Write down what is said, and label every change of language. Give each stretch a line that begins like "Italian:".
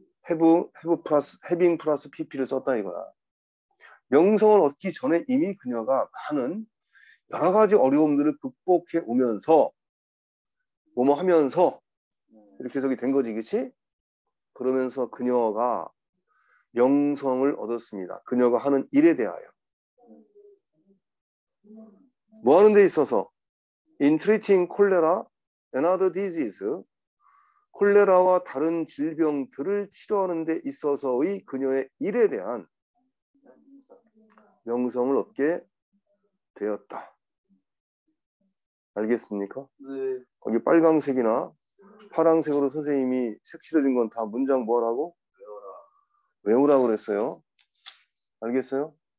Korean: having plus pp를 썼다 이거야. 명성을 얻기 전에 이미 그녀가 많은 여러 가지 어려움들을 극복해 오면서 뭐뭐 하면서 이렇게 해석이 된 거지, 그치? 그러면서 그녀가 명성을 얻었습니다. 그녀가 하는 일에 대하여. 뭐 하는 데 있어서?
English: In treating cholera and other disease.
Korean: 콜레라와 다른 질병들을 치료하는 데 있어서의 그녀의 일에 대한 명성을 얻게 되었다. 알겠습니까? 네. 거기 빨강색이나 파랑색으로 선생님이 색칠해준 건 다 문장 뭐라고? 외우라고 그랬어요. 알겠어요?